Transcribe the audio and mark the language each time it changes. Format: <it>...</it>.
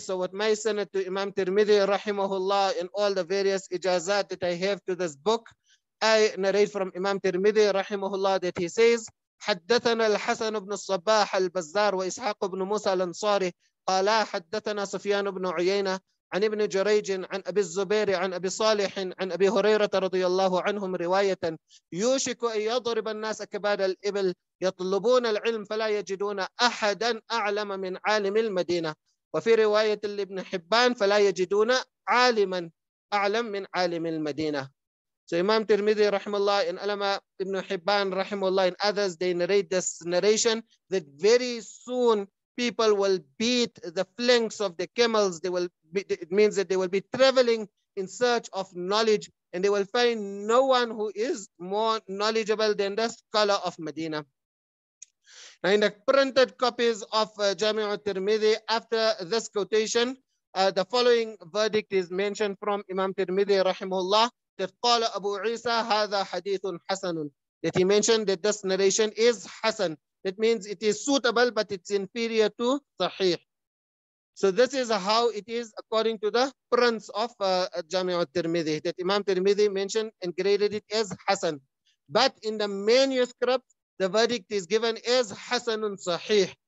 <en>So with my sanad to Imam Tirmidhi rahimahullah and all the various ijāzāt that I have to this book, I narrate from Imam Tirmidhi rahimahullah that he says,</en> <ar>حدثنا الحسن بن الصباح البزار وإسحاق بن موسى الأنصاري قالا حدثنا سفيان بن عيينة عن ابن جريج عن أبي الزبير عن أبي صالح عن أبي هريرة رضي الله عنهم رواية يوشك أن يضرب الناس كباد الإبل يطلبون العلم فلا يجدون أحدا أعلم من عالم المدينة وفي رواية لابن حبان فلا يجدون عالما أعلم من عالم المدينة.</ar> <en>So Imam Tirmidhi rahimahullah and Alama ibn Hibban rahimahullah and others, they narrate this narration that very soon people will beat the flanks of the camels. They will be, it means that they will be traveling in search of knowledge and they will find no one who is more knowledgeable than the scholar of Medina. Now in the printed copies of Jami'u Tirmidhi, after this quotation, the following verdict is mentioned from Imam Tirmidhi rahimahullah. That</en> <ar>قال أبو عيسى هذا حديث حسن.</ar> <en>That he mentioned that this narration is حسن. That means it is suitable, but it's inferior to صحيح. So this is how it is according to the prints of Jami' al-Tirmidhi. That Imam Tirmidhi mentioned and graded it as حسن. But in the manuscript, the verdict is given as حسن صحيح.</en>